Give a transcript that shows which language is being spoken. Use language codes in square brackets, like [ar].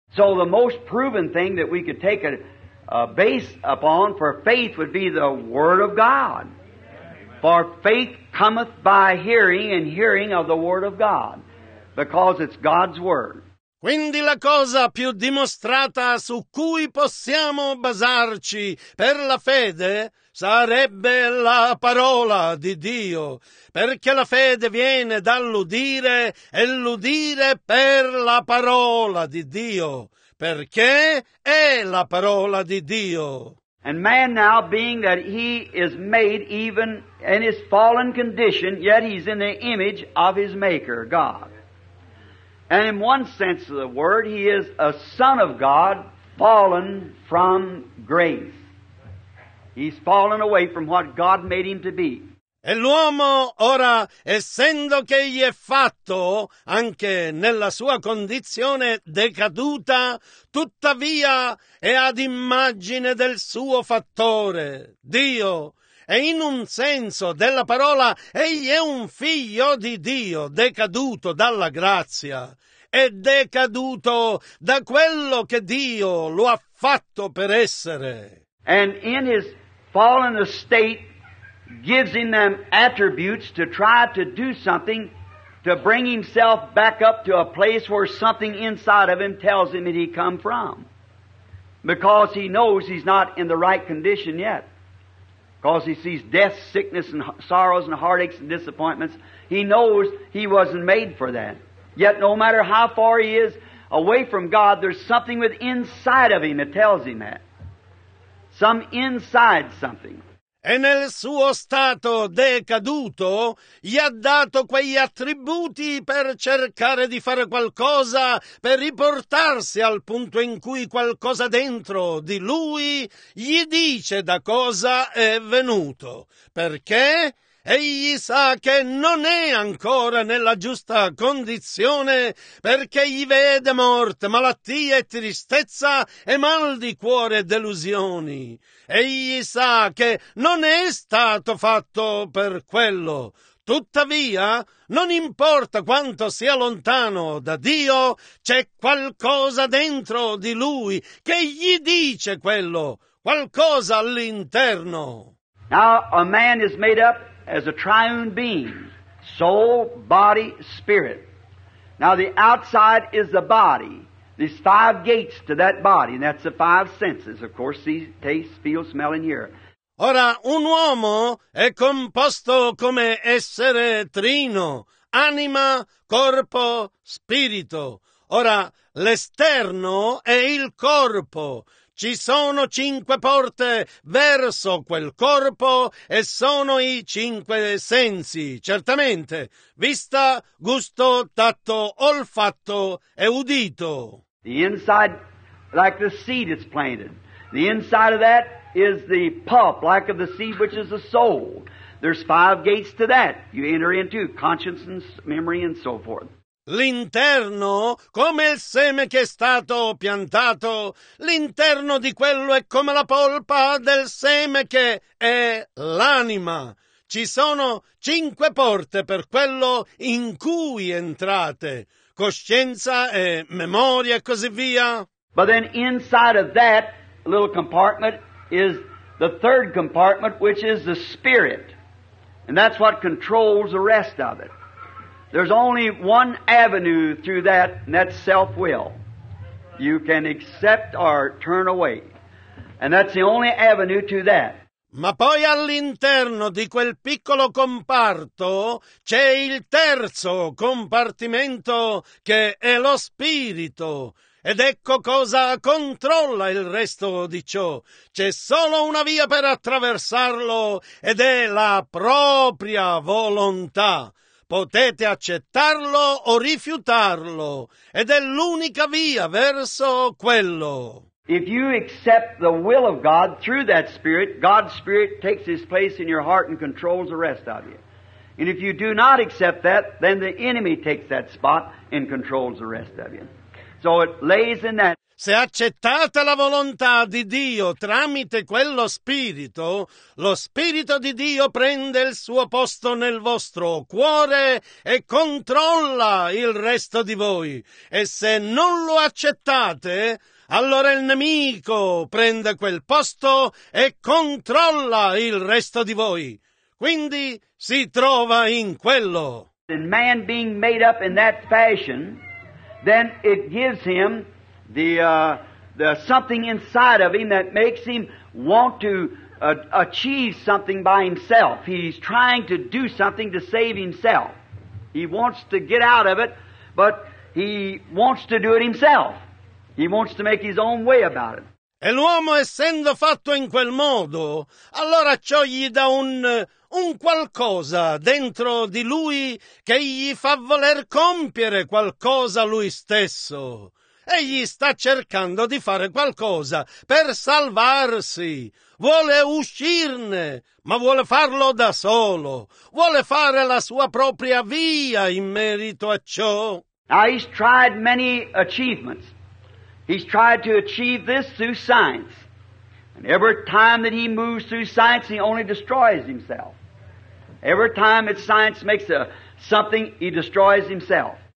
[en] So the most proven thing that we could take a base upon for faith would be the Word of God. For faith cometh by hearing, and hearing of the Word of God, because it's God's Word. [it] Quindi la cosa più dimostrata su cui possiamo basarci per la fede sarebbe la parola di Dio, perché la fede viene dall'udire e l'udire per la parola di Dio, perché è la parola di Dio. [en] And man now, being that he is made even in his fallen condition, yet he's in the image of his Maker, God. And in one sense of the word, he is a son of God, fallen from grace. He's fallen away from what God made him to be. [it] E l'uomo ora, essendo che egli è fatto, anche nella sua condizione decaduta, tuttavia è ad immagine del suo fattore, Dio. E in un senso della parola, egli è un figlio di Dio, decaduto dalla grazia. È decaduto da quello che Dio lo ha fatto per essere. [en] And in his fallen state, gives him them attributes to try to do something to bring himself back up to a place where something inside of him tells him that he come from. Because he knows he's not in the right condition yet. Because he sees death, sickness, and sorrows, and heartaches, and disappointments. He knows he wasn't made for that. Yet no matter how far he is away from God, there's something with inside of him that tells him that. Some inside something. [it] E nel suo stato decaduto gli ha dato quegli attributi per cercare di fare qualcosa, per riportarsi al punto in cui qualcosa dentro di lui gli dice da cosa è venuto, perché egli sa che non è ancora nella giusta condizione, perché gli vede morte, malattia e tristezza e mal di cuore e delusioni. Egli sa che non è stato fatto per quello. Tuttavia, non importa quanto sia lontano da Dio, c'è qualcosa dentro di lui che gli dice quello, qualcosa all'interno. [en] Now a man is made up as a triune being, soul, body, spirit. Now the outside is the body. There's five gates to that body, and that's the five senses. Of course, see, taste, feel, smell, and hear. [it] Ora, un uomo è composto come essere trino, anima, corpo, spirito. Ora, l'esterno è il corpo. Ci sono cinque porte verso quel corpo e sono i cinque sensi, certamente, vista, gusto, tatto, olfatto e udito. [en] The inside, like the seed is planted. The inside of that is the pulp, like of the seed, which is the soul. There's five gates to that. You enter into conscience and memory and so forth. [it] L'interno, come il seme che è stato piantato, l'interno di quello è come la polpa del seme che è l'anima. Ci sono cinque porte per quello in cui entrate, coscienza e memoria e così via. [en] But then inside of that little compartment is the third compartment, which is the spirit. And that's what controls the rest of it. There's only one avenue through that, and that's self-will. You can accept or turn away. And that's the only avenue to that. [it] Ma poi all'interno di quel piccolo comparto c'è il terzo compartimento che è lo spirito. Ed ecco cosa controlla il resto di ciò. C'è solo una via per attraversarlo ed è la propria volontà. Potete accettarlo o rifiutarlo ed è l'unica via verso quello. [en] If you accept the will of God through that Spirit, God's Spirit takes His place in your heart and controls the rest of you. And if you do not accept that, then the enemy takes that spot and controls the rest of you. So it lays in that. [it] Se accettate la volontà di Dio tramite quello Spirito, lo Spirito di Dio prende il suo posto nel vostro cuore e controlla il resto di voi. E se non lo accettate, allora il nemico prende quel posto e controlla il resto di voi. Quindi si trova in quello. [en] And man being made up in that fashion, then it gives him the something inside of him that makes him want to achieve something by himself. He's trying to do something to save himself. He wants to get out of it, but he wants to do it himself. He wants to make his own way about it. [it] E l'uomo, essendo fatto in quel modo, allora ciò gli dà un qualcosa dentro di lui che gli fa voler compiere qualcosa lui stesso. Egli sta cercando di fare qualcosa per salvarsi. Vuole uscirne, ma vuole farlo da solo. Vuole fare la sua propria via in merito a ciò. [en] Now he's tried many achievements. He's tried to achieve this through science. And every time that he moves through science, he only destroys himself. Every time that science makes something, he destroys himself.